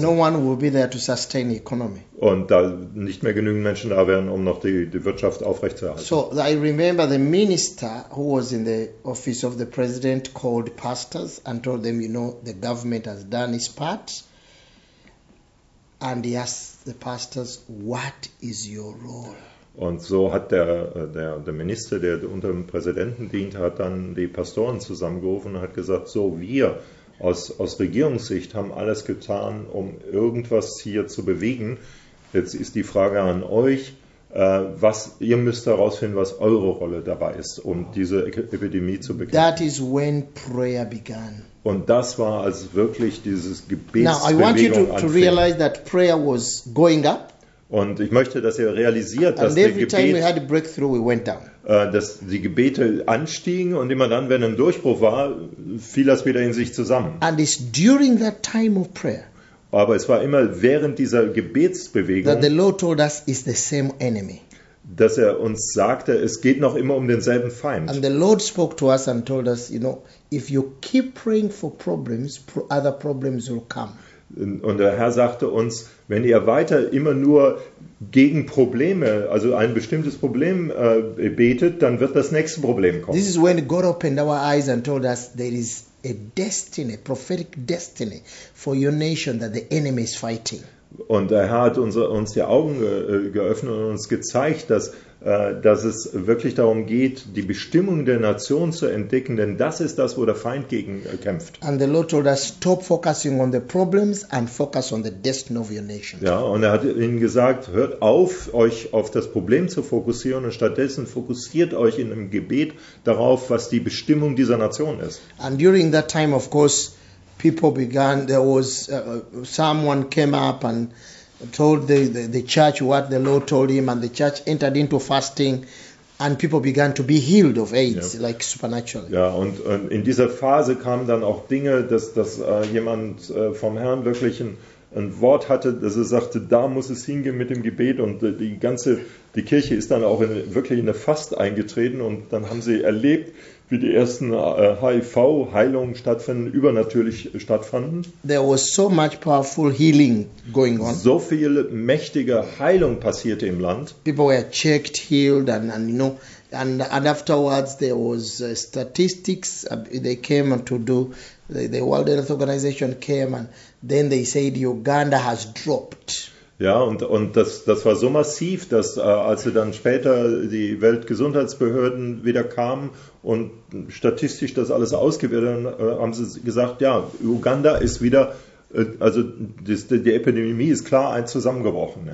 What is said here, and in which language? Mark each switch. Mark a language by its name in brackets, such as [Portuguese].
[English] No one will be there to sustain the economy. [German] Und da nicht mehr genügend Menschen da wären, um noch die Wirtschaft aufrechtzuerhalten. [English] So, I remember the minister who was in the office of the president called pastors and told them, you know, the government has done its part. And he asked the pastors, what is your role? [German] Und so hat der Minister, der unter dem Präsidenten dient, hat dann die Pastoren zusammengerufen und hat gesagt, so, wir aus Regierungssicht haben alles getan, um irgendwas hier zu bewegen. Jetzt ist die Frage an euch, was ihr müsst herausfinden, was eure Rolle dabei ist, um diese Epidemie zu bekämpfen. [English] That is when prayer began. [German] Und das war als wirklich dieses Gebetsbewegung. [English] Now I want you to realize that prayer was going up. [German] Und ich möchte, dass ihr realisiert, dass die Gebete anstiegen und immer dann, wenn ein Durchbruch war, fiel das wieder in sich zusammen. [English] And it's during that time of prayer, [German] aber es war immer während dieser Gebetsbewegung, [English] that the Lord told us it's the same enemy. [German] Dass er uns sagte, es geht noch immer um denselben Feind. [English] And the Lord spoke to us and told us, you know, if you keep praying for problems, other problems will come. [German] Und der Herr sagte uns, wenn ihr weiter immer nur gegen Probleme, also ein bestimmtes Problem betet, dann wird das nächste Problem kommen. [English] This is when God opened our eyes and told us there is a destiny, prophetic destiny for your nation that the enemy is fighting. [German] Und der Herr hat uns die Augen geöffnet und uns gezeigt, dass es wirklich darum geht, die Bestimmung der Nation zu entdecken, denn das ist das, wo der Feind gegen kämpft. [English] And the Lord told us, stop focusing on the problems and focus on the destiny of your nation. [German] Ja, und er hat ihnen gesagt, hört auf, euch auf das Problem zu fokussieren und stattdessen fokussiert euch in einem Gebet darauf, was die Bestimmung dieser Nation ist. [English] And during that time, of course, people began, there was someone came up and told the church what the Lord told him, and the church entered into fasting, and people began to be healed of AIDS, yeah, like supernaturally. [German] Ja, und in dieser Phase kamen dann auch Dinge, dass jemand vom Herrn wirklich ein Wort hatte, dass er sagte, da muss es hingehen mit dem Gebet, und die Kirche ist dann auch wirklich in eine Fast eingetreten, und dann haben sie erlebt, wie die ersten HIV-Heilungen stattfanden, übernatürlich stattfanden. [English] There was so much powerful healing going on. [German] So viel mächtige Heilung passierte im Land. [English] People were checked, healed, and you know, and afterwards there was statistics. They came to do. The World Health Organization came, and then they said Uganda has dropped. [German] Ja, und das war so massiv, dass als sie dann später die Weltgesundheitsbehörden wieder kamen und statistisch das alles ausgewertet haben, haben sie gesagt, ja, Uganda ist wieder, also die Epidemie ist klar zusammengebrochen.